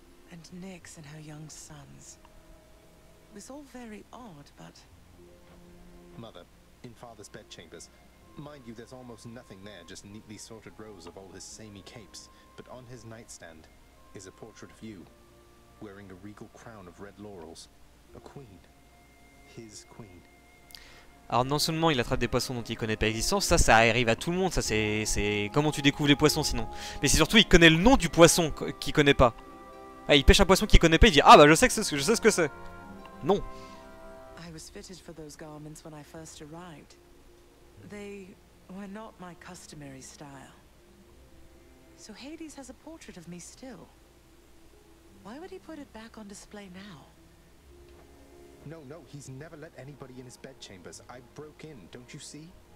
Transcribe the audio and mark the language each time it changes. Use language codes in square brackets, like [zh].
[en] And Nyx and her young sons. It was all very odd, but Mother, in father's bedchambers. Mind you, there's almost nothing there, just neatly sorted rows of all his samey capes. But on his nightstand is a portrait of you, wearing a regal crown of red laurels. A queen. His queen. [fr] Alors non seulement il attrape des poissons dont il connaît pas l'existence, ça arrive à tout le monde, ça c'est comment tu découvres les poissons sinon. Mais c'est surtout il connaît le nom du poisson qu'il connaît pas. Ah, il pêche un poisson qu'il connaît pas, il dit ah bah je sais ce que c'est. Non. [en] I was fitted for those garments when I first arrived. They were not my customary style. So Hades has a portrait of me still. Why would he put it back on display now? No, he's never let anybody in his bedchambers. I broke in, don't you see?